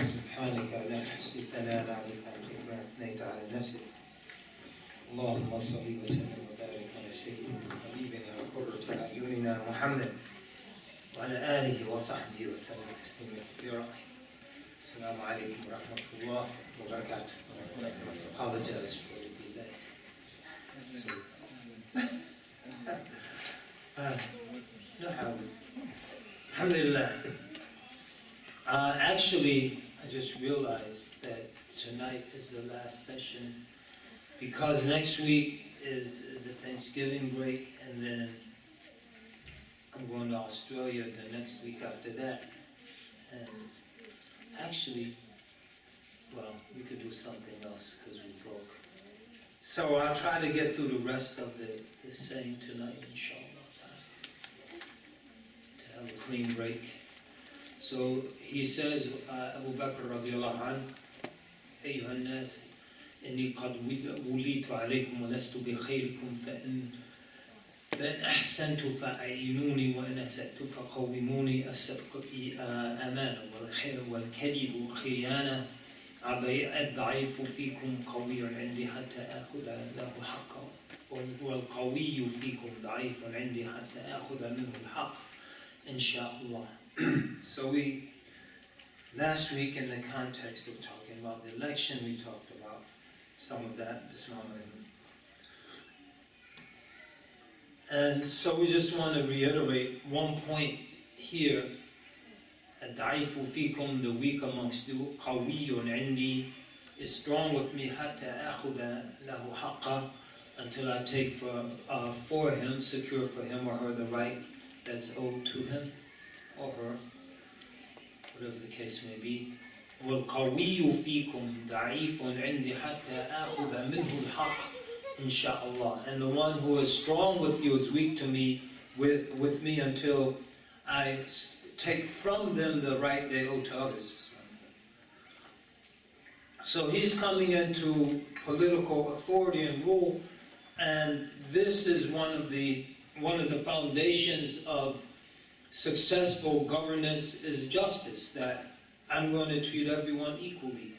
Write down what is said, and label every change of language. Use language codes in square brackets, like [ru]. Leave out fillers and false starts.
[ar] سبحانك على حسن الثناء عليك ما أثنيت على نفسك. اللهم صل وسلم وبارك على سيدنا وحبيبنا وقرة أعيننا محمد وعلى آله وصحبه وسلم تسليما كثيرا. السلام عليكم ورحمة الله وبركاته. [en] Apologize for the delay. Alhamdulillah. Actually, I just realized that tonight is the last session because next week is the Thanksgiving break, and then I'm going to Australia the next week after that. And actually, well, we could do something else because we broke. So I'll try to get through the rest of the saying tonight, inshallah, to have a clean break. So he says, [ar] Abu Bakr radiallahu anhu, أيها الناس إني قد وليت عليكم ولست بخيركم فإن أحسنت فأعينوني وإن أسأت فقوموني الصدق أمانة والخير والكذب خيانة الضعيف فيكم قوي عندي حتى أخذ له حقا والقوي فيكم ضعيف عندي حتى أخذ منه الحق إن شاء الله. [en] So we, last week in the context of talking about the election, we talked about some of that, Bismillah. And so we just want to reiterate one point here. [ar] الضعيف فيكم, [en] the weak amongst you, [ar] قوي عندي, [en] is strong with me, [ar] حتى أخذ له حقا, [en] until I take for him, secure for him or her the right that's owed to him or her, whatever the case may be. [ar] والقوي فيكم ضعيف عندي حتى أخذ منه الحق إن شاء الله. [en] And the one who is strong with you is weak to me, with me until I take from them the right they owe to others. So he's coming into political authority and rule, and this is one of the foundations of successful governance is justice, that I'm going to treat everyone equally.